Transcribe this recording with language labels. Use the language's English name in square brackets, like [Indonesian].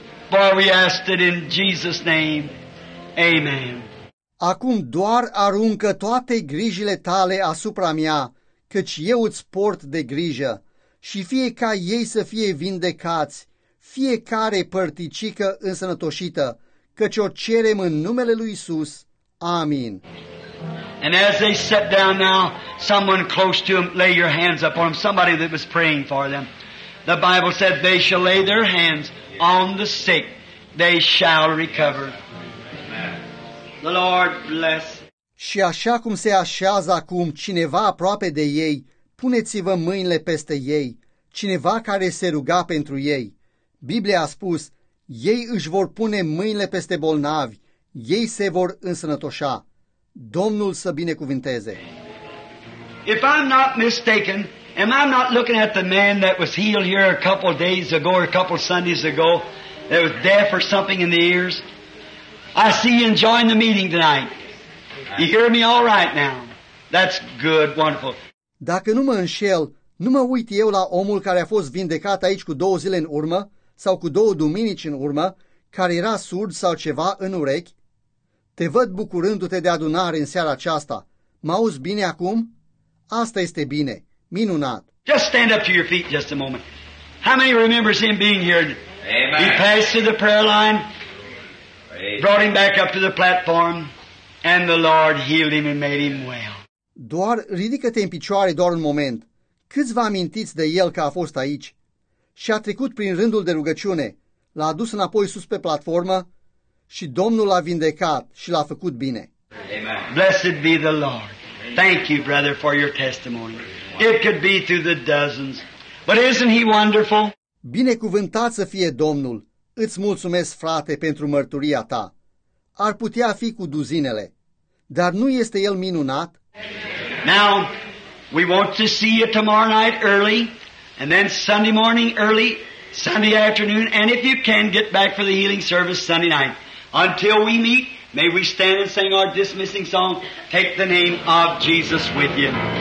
[English] For we ask it in Jesus' name. Amen. [Romanian] Acum doar aruncă toate grijile tale asupra mea, căci eu îți port de grijă, și fie ca ei să fie vindecați, fiecare părticică însănătoșită, căci o cerem în numele lui Iisus. Amin. [English] And as they sat down now, someone close to them, lay your hands upon them, somebody that was praying for them. The Bible said they shall lay their hands on the sick, they shall recover. The Lord bless. [Romanian] Și așa cum se așează acum cineva aproape de ei, puneți-vă mâinile peste ei, cineva care se ruga pentru ei. Biblia a spus, ei își vor pune mâinile peste bolnavi, ei se vor însănătoșa. Domnul să binecuvinteze. [English] If I'm not mistaken, and I'm not looking at the man that was healed here a couple days ago or a couple Sundays ago, that was deaf or something in the ears, I see you enjoying the meeting tonight. You hear me all right now? That's good, wonderful. [Romanian] Dacă nu mă înșel, nu mă uit eu la omul care a fost vindecat aici cu două zile în urmă sau cu două duminici în urmă, care era surd sau ceva în urechi. Te văd bucurându-te de adunare în seara aceasta. M-auzi bine acum? Asta este bine. Minunat. [English] Just stand up to your feet just a moment. How many remembers him being here? Amen. He passed through the prayer line, brought him back up to the platform, and the Lord healed him and made him well. [Romanian] Doar ridică-te în picioare doar un moment. Câți vă amintiți de el că a fost aici? Și a trecut prin rândul de rugăciune. L-a adus înapoi sus pe platformă și Domnul l-a vindecat și l-a făcut bine. Amen. [English] Blessed be the Lord. Thank you, brother, for your testimony. It could be through the dozens. But isn't he wonderful? [Romanian] Binecuvântat să fie Domnul. Îți mulțumesc, frate, pentru mărturia ta. Ar putea fi cu duzinele. Dar nu este el minunat? [English] Now, we want to see you tomorrow night early, and then Sunday morning early, Sunday afternoon, and if you can, get back for the healing service Sunday night. Until we meet, may we stand and sing our dismissing song, Take the Name of Jesus with you.